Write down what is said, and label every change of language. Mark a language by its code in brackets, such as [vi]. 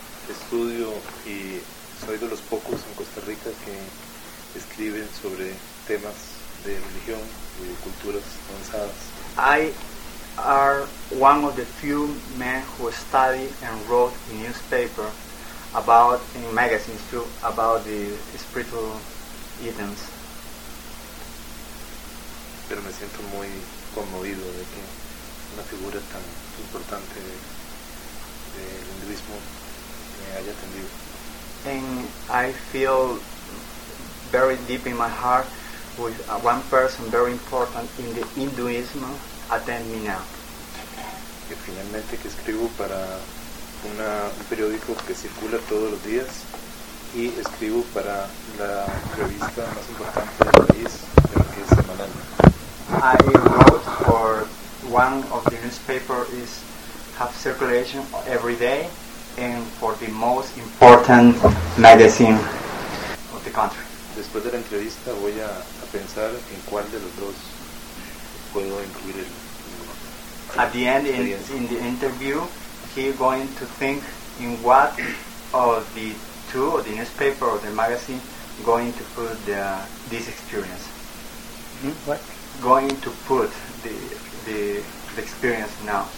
[es] estudio y soy de los pocos en Costa Rica que escriben sobre temas de religión y de culturas avanzadas. [en] I are one of the few men who study and wrote in newspaper about, in magazines too, about the spiritual items. [es] Pero me siento muy conmovido de que una figura tan importante del hinduismo me haya atendido. [en] And I feel very deep in my heart with one person very important in the Hinduism attend me now. [es] Y finalmente que escribo para un periódico que circula todos los días y escribo para la revista más importante del país, creo que es semanal. [en] I wrote for one of the newspaper is have circulation every day and for the most important magazine of the country. [es] Después de la entrevista voy a pensar en cuál de los dos puedo incluir el. [en] At the end, in the interview, he's going to think in what of the two, or the newspaper or the magazine, going to put the, this experience. What? Going to put the experience now.